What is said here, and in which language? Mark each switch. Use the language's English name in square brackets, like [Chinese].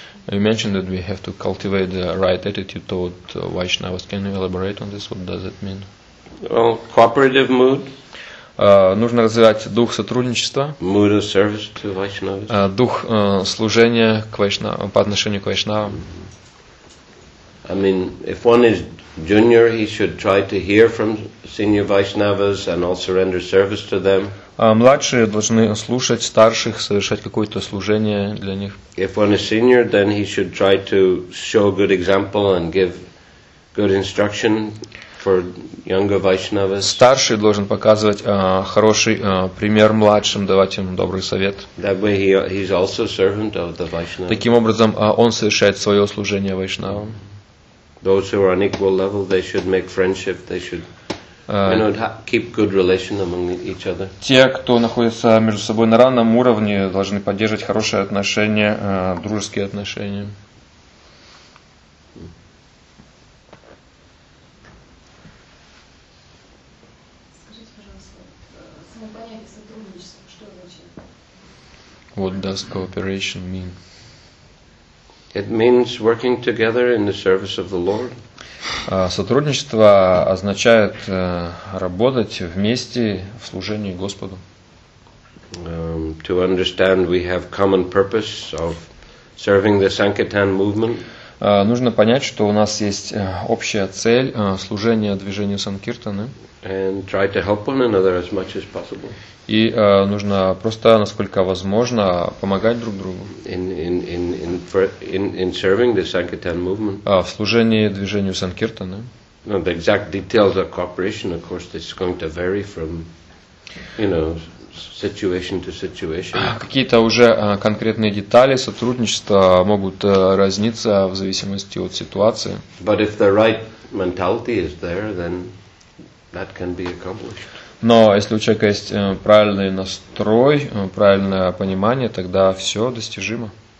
[English] You mentioned that we have to cultivate the right attitude toward Vaishnavas. Can you elaborate on this? What does it mean? Well, cooperative mood. [Russian] Нужно развивать дух сотрудничества. [English] Mood of service to Vaishnavas. [Russian] Дух служения к по отношению к Вайшнавам. [English] I mean, if one is junior, he should try to hear from senior Vaishnavas and also render service to them. [Russian] Младшие должны слушать старших, совершать какое-то служение для них. [English] If one is senior, then he should try to show good example and give good instruction for younger Vaishnavas. [Russian] Старший должен показывать хороший пример младшим, давать им добрый совет. [English] That way he's also servant of the Vaishnavas. [Russian] Таким образом, он совершает свое служение Вайшнавам. [English] Those who are on equal level, they should make friendship, they should keep good relation among each other. [Russian] Те, кто находится между собой на равном уровне, должны поддерживать хорошие отношения, дружеские отношения. Скажите, пожалуйста, само понятие сотрудничества, что значит? [English] What does cooperation mean? It means working together in the service of the Lord. [Russian] Сотрудничество означает работать вместе в служении Господу. [English] To understand we have common purpose of serving the Sankirtan movement. [Russian] Нужно понять, что у нас есть общая цель служения движению Санкиртаны. [English] And try to help one another as much as possible. [Russian] И нужно просто, насколько возможно, помогать друг другу. [English] In serving the Sankirtan movement. [Russian] В служении движению Санкиртаны. [English] No, the exact details of cooperation, of course, it's going to vary from, situation to situation. [Russian] Какие-то уже конкретные детали сотрудничества могут разниться в зависимости от ситуации. [English] But if the right mentality is there, then that can be accomplished. [Russian] Но если у человека есть правильный настрой, правильное понимание, тогда все достижимо.